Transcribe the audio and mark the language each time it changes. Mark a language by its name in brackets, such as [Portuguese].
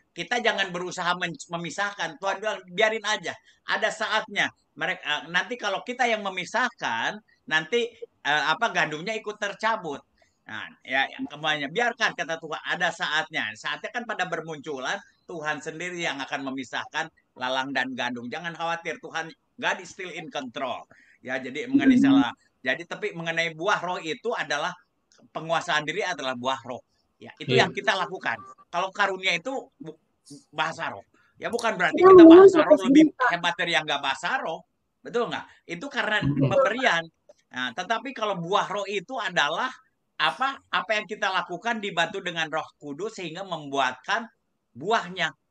[Indonesian] Kita jangan berusaha memisahkan. Tuhan bilang, biarin aja. Ada saatnya. Nanti kalau kita yang memisahkan, nanti gandumnya ikut tercabut. Nah, ya kemuanya biarkan, kata Tuhan, ada saatnya. Saatnya kan pada bermunculan, Tuhan sendiri yang akan memisahkan lalang dan gandum. Jangan khawatir, [English] Tuhan God is still in control. [Indonesian] Ya, jadi mengenai salah. Jadi tapi mengenai buah roh itu adalah penguasaan diri adalah buah roh. Ya, itu yang kita lakukan. Kalau karunia itu bahasa roh. Ya bukan berarti kita bahasa roh lebih hebat dari yang enggak bahasa roh. Betul enggak? Itu karena pemberian. Nah, tetapi kalau buah roh itu adalah apa yang kita lakukan dibantu dengan Roh Kudus sehingga membuatkan buahnya.